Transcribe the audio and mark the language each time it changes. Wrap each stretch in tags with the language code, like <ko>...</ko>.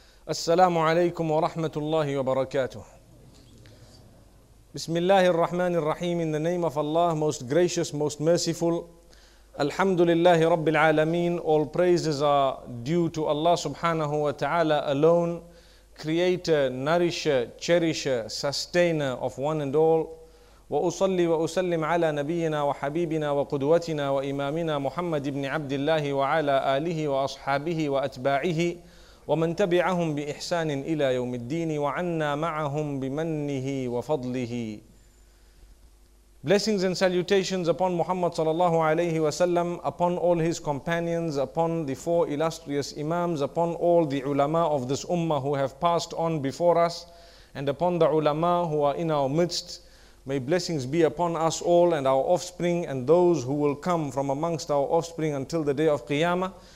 <ar>السلام عليكم ورحمة الله وبركاته. بسم الله الرحمن الرحيم.</ar> <en>In the name of Allah, most gracious, most merciful.</en> <ar>الحمد لله رب العالمين.</ar> <en>All praises are due to Allah subhanahu wa ta'ala alone, creator, nourisher, cherisher, sustainer of one and all.</en> <ar>وأصلي وأسلم على نبينا وحبيبنا وقدوتنا وإمامنا محمد بن عبد الله وعلى آله وأصحابه وأتباعه ومن تبعهم بإحسان إلى يوم الدين وعنا معهم بمنه وفضله.</ar> <en>Blessings and salutations upon Muhammad sallallahu alayhi wa sallam, upon all his companions, upon the four illustrious imams, upon all the ulama of this ummah who have passed on before us, and upon the ulama who are in our midst. May blessings be upon us all and our offspring and those who will come from amongst our offspring until the day of Qiyamah.</en>